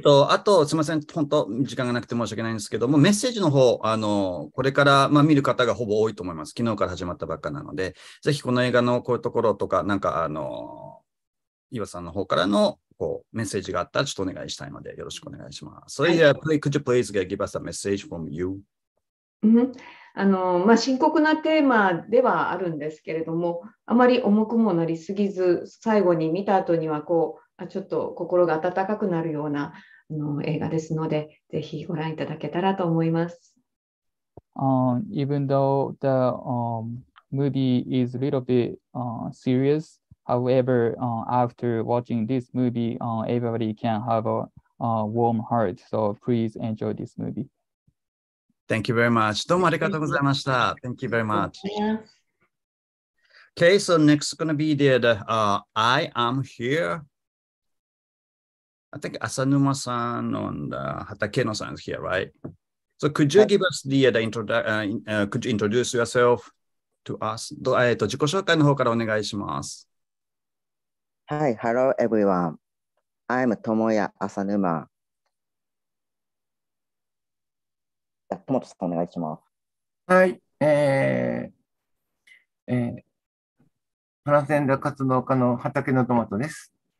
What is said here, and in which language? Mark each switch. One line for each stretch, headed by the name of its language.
Japanese: あと、すみません、本当、時間がなくて申し訳ないんですけども、メッセージの方、これから、まあ、見る方がほぼ多いと思います。昨日から始まったばっかなので、ぜひこの映画のこういうところとか、なんか、岩さんの方からのこうメッセージがあったら、ちょっとお願いしたいので、よろしくお願いします。
English: So, yeah, please, could you please give us a message from you?
Japanese: まあ、深刻なテーマではあるんですけれども、あまり重くもなりすぎず、最後に見た後にはこうちょっと心が温かくなるような映画ですので、ぜひご覧いただけたらと思います。
English: Even though the movie is a little bit serious, however, after watching this movie, everybody can have a warm heart, so please enjoy this movie Thank you very much.
Japanese: どうもありがとうございました。
English: Thank you very much. Okay, so next is going to be the I am here. I think Asanuma-san and Hatakenuma-san is here, right? So could you give us could you introduce yourself to us?
Japanese: 自己紹介の方からお願いします。
English: Hi, hello everyone. I'm Tomoya Asanuma.
Japanese: トモトさんお願いします。はい、トランスジェンダー活動家の畑のトマトです。